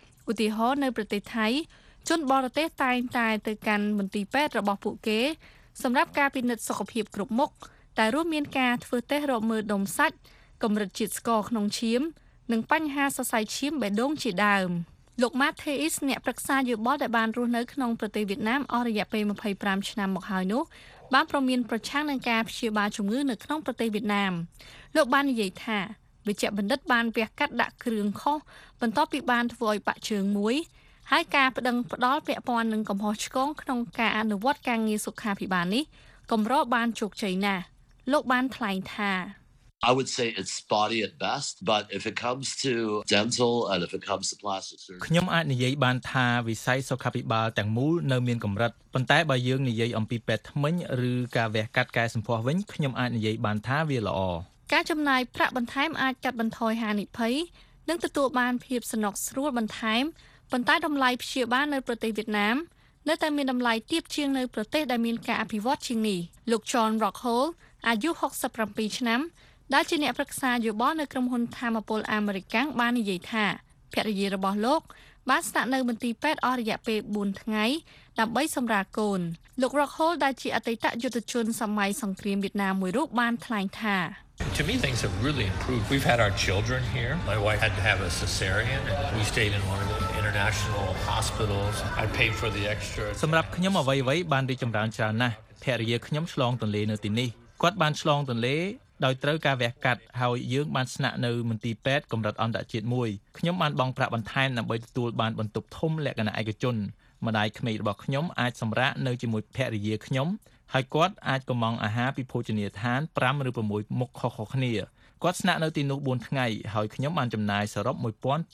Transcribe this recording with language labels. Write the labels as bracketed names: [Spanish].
[Khmer] ឧទាហរណ៍នៅប្រទេសថៃជនបរទេសតែងតែទៅកាន់មន្ទីរពេទ្យរបស់ពួកគេសម្រាប់ការពិនិត្យសុខភាពគ្រប់មុខតែរួមមានការធ្វើតេស្តរកមើលដុំសាច់កម្រិតជាតិស្ករក្នុងឈាមនិងបញ្ហាសរសៃឈាមបេះដូងជាដើមលោកម៉ាថេអ៊ីសអ្នកប្រឹក្សាយោបល់ដែលបានរស់នៅក្នុងប្រទេសវៀតណាមអស់រយៈពេល25ឆ្នាំមកហើយនោះបានប្រមានប្រឆាំងនឹងការព្យាបាលជំងឺនៅក្នុងប្រទេសវៀតណាម លោកបាននិយាយថាវេជ្ជបណ្ឌិតបានវះកាត់ដាក់គ្រឿងខុសបន្ទាប់ពីបានធ្វើឲ្យបាក់ជើងមួយហើយការប្តឹងផ្តល់ពាក់ព័ន្ធនឹងកំហុសឆ្គងក្នុងការអនុវត្តការងារសុខាភិបាលនេះកម្របានជោគជ័យណាស់លោកបានថ្លែងថា [English] I would say it's spotty at best but if it comes to dental and if it comes to plastic surgery [Khmer] ខ្ញុំអាចនិយាយបានថាវិស័យសុខាភិបាលទាំងមូលនៅមានកម្រិតប៉ុន្តែបើយើងនិយាយអំពីពេទ្យថ្មីឬការវះកាត់កែសម្ផស្សវិញខ្ញុំអាចនិយាយបានថាវាល្អ ការចំណាយប្រាក់បន្ថែមអាចកាត់បន្ថយហានិភ័យនិងទទួលបានភាពសំណុកស្រួលបន្ថែមប៉ុន្តែតម្លៃព្យាបាលនៅប្រទេសវៀតណាមនៅតែមានតម្លៃទាបជាងនៅប្រទេសដែលមានការអភិវឌ្ឍជាងនេះលោក John Rockhole អាយុ67ឆ្នាំដែលជាអ្នកប្រឹក្សាយោបល់នៅក្រុមហ៊ុនធម្មពលអាមេរិកាំងបាននិយាយថាភរិយារបស់លោកបានស្នាក់នៅមន្ទីរពេទ្យអស់រយៈពេល4ថ្ងៃដើម្បីសម្រាលកូនលោក Rockhole ដែលជាអតីតយុទ្ធជនសម័យសង្គ្រាមវៀតណាមមួយរូបបានថ្លែងថា [English] To me, things have really improved. We've had our children here. My wife had to have a cesarean, and we stayed in one of the international hospitals. I paid for the extra. [Khmer] សម្រាប់ខ្ញុំអ្វីៗបានរីកចម្រើនច្រើនណាស់ភរិយាខ្ញុំឆ្លងទន្លេនៅទីនេះគាត់បានឆ្លងទន្លេដោយត្រូវការវះកាត់ហើយយើងបានស្នាក់នៅមន្ទីរពេទ្យកម្រិតអន្តរជាតិមួយខ្ញុំបានបង់ប្រាក់បន្ថែមដើម្បីទទួលបានបន្ទប់ធំលក្ខណៈឯកជនម្ដាយក្មេករបស់ខ្ញុំអាចសម្រាកនៅជាមួយភរិយាខ្ញុំហើយគាត់អាចកម្មង់អាហារពីភោជនីយដ្ឋាន5ឬ6មុខខុសៗគ្នាគាត់ស្នាក់នៅទីនោះ4ថ្ងៃហើយខ្ញុំបានចំណាយសរុប $1,200